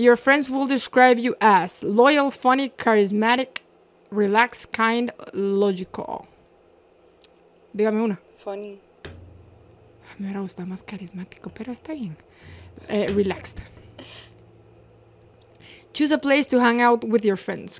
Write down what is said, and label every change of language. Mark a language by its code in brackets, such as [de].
[en] Your friends will describe you as loyal, funny, charismatic, relaxed, kind, logical. [es] Dígame una. [en] Funny. [es] Me hubiera gustado más carismático, pero está bien. [en] Relaxed. Choose a place to hang out with your friends.